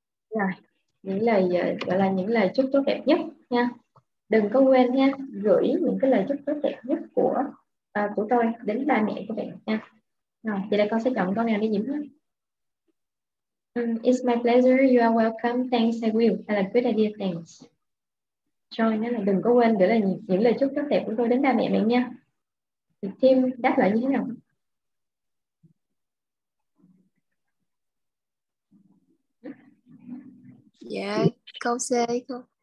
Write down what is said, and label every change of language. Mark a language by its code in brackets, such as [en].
[vi] Rồi, những lời gọi là những lời chúc tốt đẹp nhất nha. Đừng có quên nha, gửi những cái lời chúc tốt đẹp nhất của tôi đến ba mẹ của bạn nha. Rồi, vậy đây con sẽ chọn con nào đi Diễm. [en] It's my pleasure, you are welcome, thanks, I will. [vi] Hay là [en] good idea, thanks. [vi] Rồi, nên là đừng có quên gửi lời những lời chúc tốt đẹp của tôi đến ba mẹ bạn nha. Thì Tim đáp lại như thế nào? Dạ, câu C thôi.